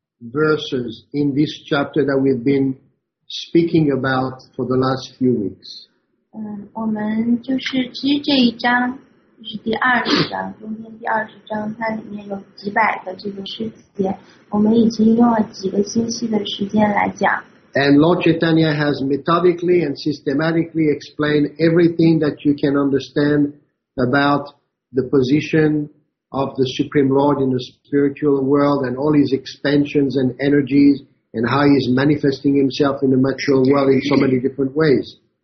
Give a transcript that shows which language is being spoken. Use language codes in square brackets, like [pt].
[en] verses in this chapter that we've been speaking about for the last few weeks. [zh] 我们就是其实这一章是第二十章，中间第二十章， 它里面有几百个这个诗节， 我们已经用了几个星期的时间来讲。 [en] And Lord Chaitanya has methodically and systematically explained everything that you can understand about the position of the Supreme Lord in the spiritual world and all his expansions and energies and how he is manifesting himself in the material world in so many different ways.